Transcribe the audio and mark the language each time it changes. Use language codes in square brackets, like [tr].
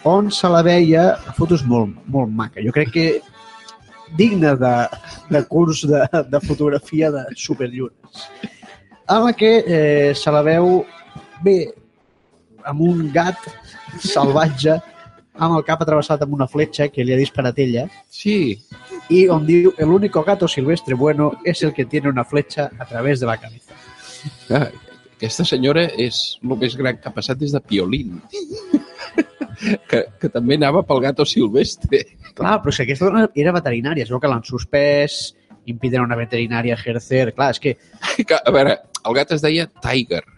[ca] on se la veia, la foto és molt, molt maca, jo crec que digna de curs de fotografia de superllunes, en la que se la veu bé amb un gat salvatge amb el cap atravessat amb una fletxa que li ha disparat ella. Sí. I on diu, [es] el único gato silvestre bueno es el que tiene una fletxa a través de la cabeza. [ca] Ai. Aquesta senyora és el més gran que ha passat des de Piolín, que també anava pel [es] gato silvestre. [ca] Clar, però si aquesta dona era veterinària, es veu que l'han suspès, [es] impiden una veterinària ejercer, [ca] clar, és que... A veure, el gat es deia Tiger.